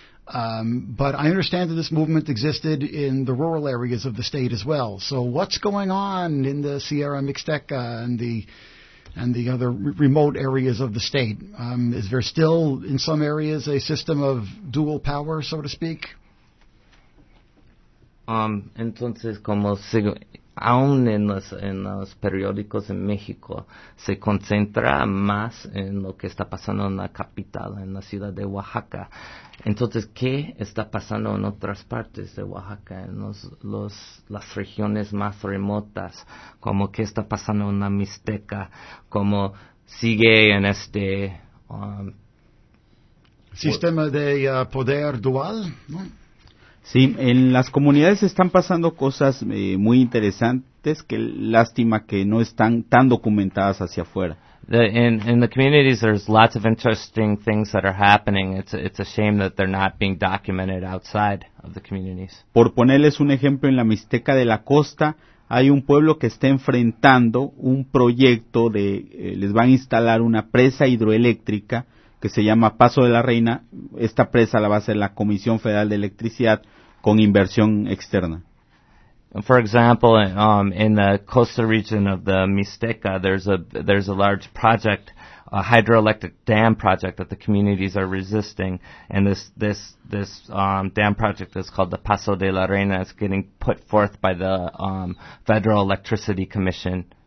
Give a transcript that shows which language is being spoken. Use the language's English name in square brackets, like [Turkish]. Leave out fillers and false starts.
[English] But I understand that this movement existed in the rural areas of the state as well. So what's going on in the Sierra Mixteca and the other remote areas of the state? Is there still, in some areas, a system of dual power, so to speak? [Spanish] Entonces, como sigo... Aún en los periódicos en México se concentra más en lo que está pasando en la capital, en la ciudad de Oaxaca. Entonces, ¿qué está pasando en otras partes de Oaxaca, en las regiones más remotas? ¿Cómo qué está pasando en la Mixteca? ¿Cómo sigue en este sistema de poder dual, no? Sí, en las comunidades están pasando cosas muy interesantes, que lástima que no están tan documentadas hacia afuera. [English] In the communities, there's lots of interesting things that are happening. It's a shame that they're not being documented outside of the communities. [Spanish] Por ponerles un ejemplo, en la Mixteca de la Costa hay un pueblo que está enfrentando un proyecto de les van a instalar una presa hidroeléctrica que se llama Paso de la Reina. Esta presa la va a hacer la Comisión Federal de Electricidad con inversión externa. [English] For example, in the coastal region of the Mixteca, there's a large project, a hydroelectric dam project that the communities are resisting, and this dam project is called the Paso de la Reina. It's getting put forth by the Federal Electricity Commission.